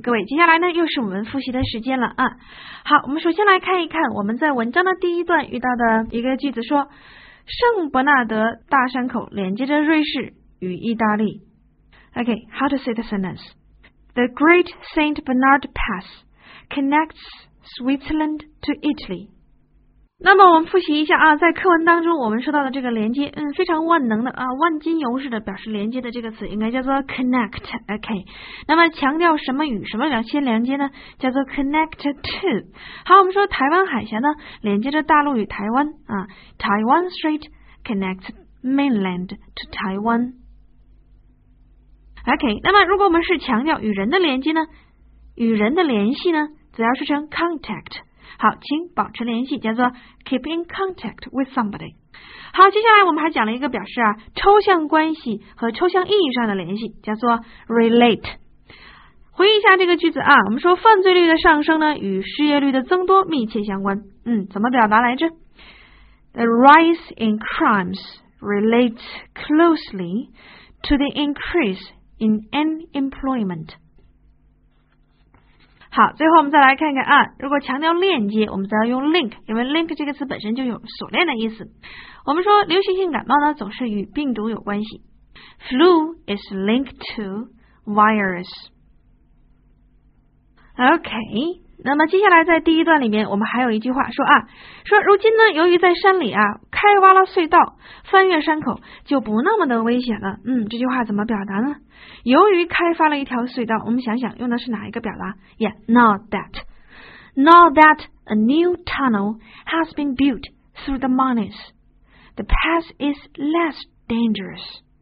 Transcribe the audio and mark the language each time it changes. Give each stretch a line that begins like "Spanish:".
Chinese: 各位，接下来呢又是我们复习的时间了啊。好，我们首先来看一看我们在文章的第一段遇到的一个句子，说圣伯纳德大山口连接着瑞士与意大利。
English: Okay, how to say the sentence? The Great Saint Bernard Pass connects Switzerland to Italy.
Chinese: 那么我们复习一下啊，在课文当中我们说到的这个连接，非常万能的啊，万金油似的表示连接的这个词应该叫做 connect, okay. 那么强调什么与什么相连接呢，叫做 connect to. 好，我们说台湾海峡呢连接着大陆与台湾啊，
English: Taiwan Strait connects mainland to Taiwan.
Chinese: OK, 那么如果我们是强调与人的连接呢，与人的联系呢，则要说成 contact。好，请保持联系，叫做 keep in contact with somebody。好，接下来我们还讲了一个表示啊抽象关系和抽象意义上的联系，叫做 relate。回忆一下这个句子啊，我们说犯罪率的上升呢与失业率的增多密切相关，怎么表达来着？
English: The rise in crimes relates closely to the increase in unemployment.
Chinese: 好，最后我们再来看看啊，如果强调链接我们再要用 link, 因为 link 这个词本身就有锁链的意思。我们说流行性感冒呢总是与病毒有关系。
English: Flu is linked to virus.
Chinese: OK, 那么接下来在第一段里面我们还有一句话说啊，说如今呢由于在山里啊开挖了隧道，翻越山口就不那么的危险了。这句话怎么表达呢？由于开发了一条隧道，我们想想用的是哪一个表达？
English: Yeah, now that. Now that a new tunnel has been built through the mountains, the path is less dangerous.